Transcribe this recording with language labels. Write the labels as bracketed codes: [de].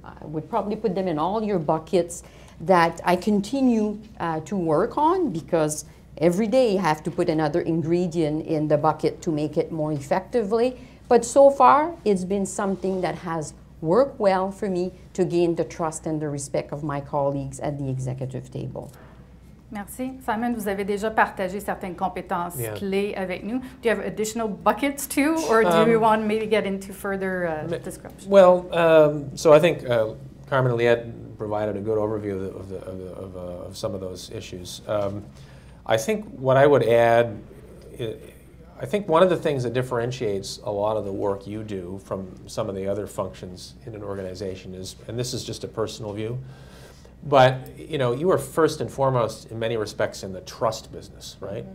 [en] I would probably put them in all your buckets that I continue to work on, because every day you have to put another ingredient in the bucket to make it more effectively. But so far, it's been something that has worked well for me to gain the trust and the respect of my colleagues at the executive table. [fr] Merci. Simon, vous avez déjà partagé certaines compétences yeah. clés avec nous. [en] Do you have additional buckets too, or do you want to maybe get into further description? Well, so I think Carmen and Liette provided a good overview of some of those issues. I think what I would add, I think one of the things that differentiates a lot of the work you do from some of the other functions in an organization is, and this is just a personal view, but you know, you are first and foremost in many respects in the trust business, right?